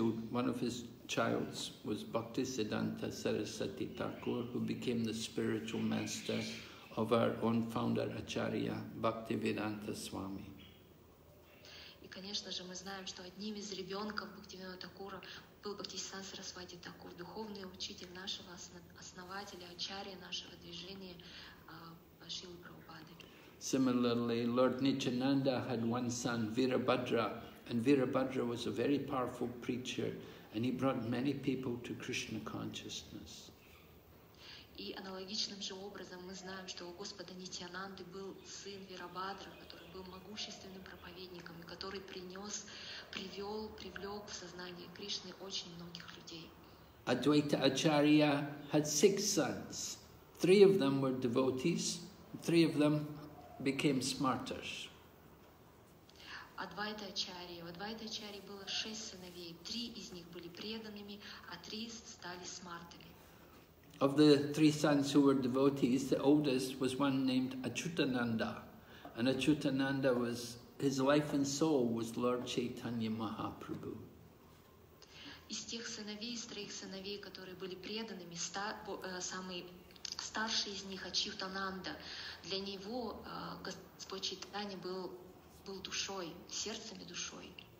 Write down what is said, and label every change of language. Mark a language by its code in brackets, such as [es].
[en] One of his childs was Bhaktisiddhanta Sarasvati Thakur, who became the spiritual master of our own founder Acharya Bhaktivedanta Swami. [ru] И, конечно же, мы знаем, что одним из ребенков Бхактивинода Такура был Бхактисиддханта Сарасвати Такур, духовный учитель нашего основателя, Ачарья нашего движения Шрилы Прабхупады. [en] Similarly, Lord Nityananda had one son, Virabhadra, and Virabhadra was a very powerful preacher, and he brought many people to Krishna consciousness. [ru] И аналогичным же образом мы знаем, что у Господа Нитьянанды был сын Вирабхадра, который был могущественным проповедником, и который принес, привел, привлек в сознание Кришны очень многих людей. [en] Адвайта Ачарья had six sons. Three of them were devotees, three of them became smarter. [ru] Адвайта Ачарьи было шесть сыновей, три из них были преданными, а три стали смартами. [en] Of the three sons who were devotees, the oldest was one named Achyutananda. And Achyutananda was, his life and soul was Lord Chaitanya Mahaprabhu. [ru] Из тех сыновей, из троих сыновей, которые были преданными, самый старший из них, Ачютананда, для него Господь Чайтанья был душой, сердцем и душой.